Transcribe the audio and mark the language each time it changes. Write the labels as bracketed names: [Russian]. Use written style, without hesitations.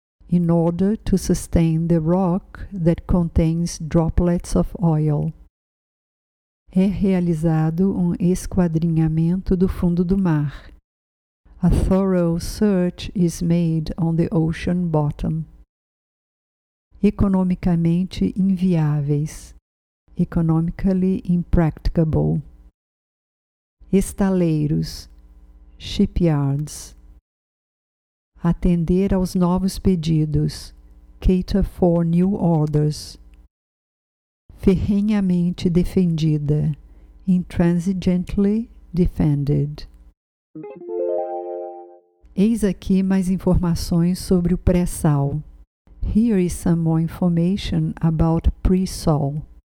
[English] In order to sustain the rock that contains droplets of oil. [Portuguese] É realizado um esquadrinhamento do fundo do mar. [English] A thorough search is made on the ocean bottom. [Portuguese] Economicamente inviáveis. Economically impracticable. Estaleiros. Shipyards. Atender aos novos pedidos, cater for new orders. Ferrenhamente defendida, intransigently defended. Eis aqui mais informações sobre o pré-sal. [English] Here is some more information about pre-sal.